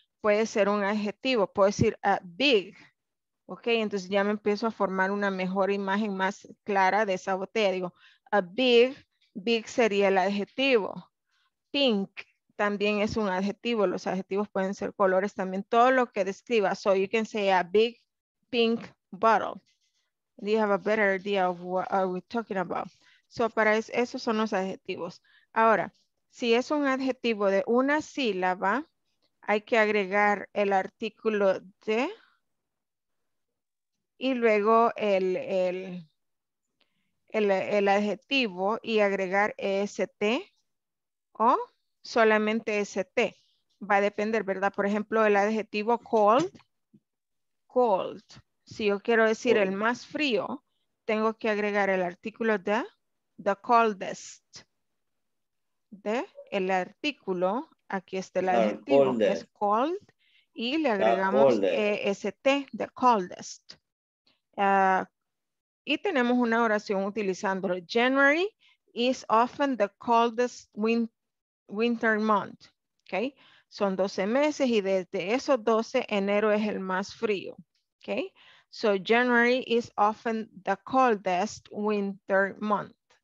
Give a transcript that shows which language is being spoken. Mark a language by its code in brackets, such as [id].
[es] Puede ser un adjetivo, puedo decir big, ok, entonces ya me empiezo a formar una mejor imagen más clara de esa botella. Digo, a big, big sería el adjetivo. Pink también es un adjetivo, los adjetivos pueden ser colores también, todo lo que describa. [en] So you can say a big pink bottle. You have a better idea of what are we talking about. [es] So para eso son los adjetivos. Ahora, si es un adjetivo de una sílaba, hay que agregar el artículo de y luego el adjetivo y agregar est o solamente ST. Va a depender, ¿verdad? Por ejemplo, el adjetivo cold, cold. Si yo quiero decir cold, el más frío, tengo que agregar el artículo the coldest. De el artículo, aquí está el adjetivo, que es cold, y le agregamos EST, the coldest. Y tenemos una oración utilizando [en] January is often the coldest winter month, okay? [es] Son 12 meses y desde esos 12, enero es el más frío, okay? [en] So January is often the coldest winter month.